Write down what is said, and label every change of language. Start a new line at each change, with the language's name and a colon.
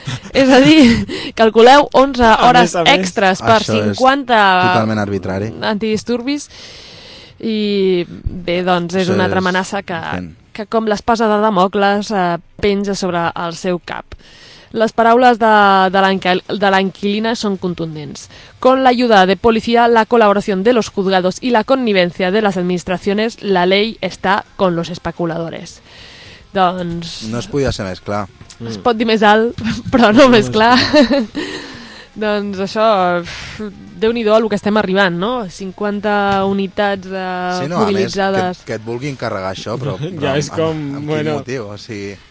Catalan: És a dir, calculeu 11 hores a més extres per això 50 totalment arbitrari antidisturbis. I bé, doncs és una altra amenaça que com l'espasa de Damocles penja sobre el seu cap. Les paraules de l'inquilina són contundents.
Spanish: Con la ayuda de policía, la colaboración de los juzgados y la connivencia de las administraciones, la ley está con los especuladores.
Catalan: Doncs... No es podia ser més clar. Es pot dir més alt, però no més clar. Doncs això, déu-n'hi-do el que estem arribant, no? 50 unitats mobilitzades. Sí, no, que et vulguin carregar això, però ja és com, amb quin motiu? O sigui,